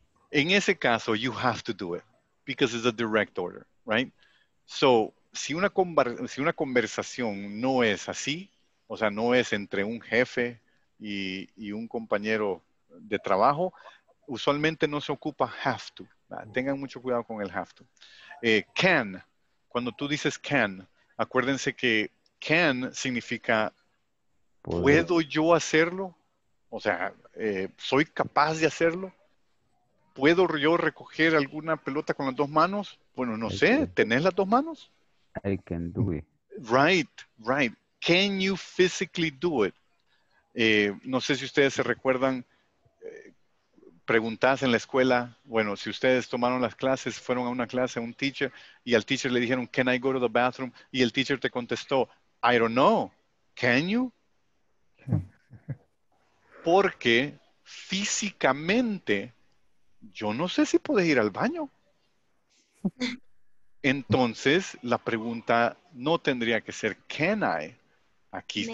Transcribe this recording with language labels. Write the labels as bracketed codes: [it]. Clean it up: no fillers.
[es] En ese caso, [en] you have to do it because it's a direct order, right? [es] So, si una conversación no es así, o sea, no es entre un jefe y un compañero de trabajo, usualmente no se ocupa have to. Tengan mucho cuidado con el have to. Can, cuando tú dices can, acuérdense que can significa puedo yo hacerlo, o sea, soy capaz de hacerlo. ¿Puedo yo recoger alguna pelota con las dos manos? Bueno, no sé. ¿Tenés las dos manos? [en] I can do it. Right. Can you physically do it? [es] No sé si ustedes se recuerdan. Preguntás en la escuela. Bueno, si ustedes tomaron las clases, fueron a una clase, a un teacher, y al teacher le dijeron, [en] can I go to the bathroom? [es] Y el teacher te contestó, [en] I don't know. Can you? [es] Porque físicamente, yo no sé si puedes ir al baño. Entonces, la pregunta no tendría que ser can I. Aquí may.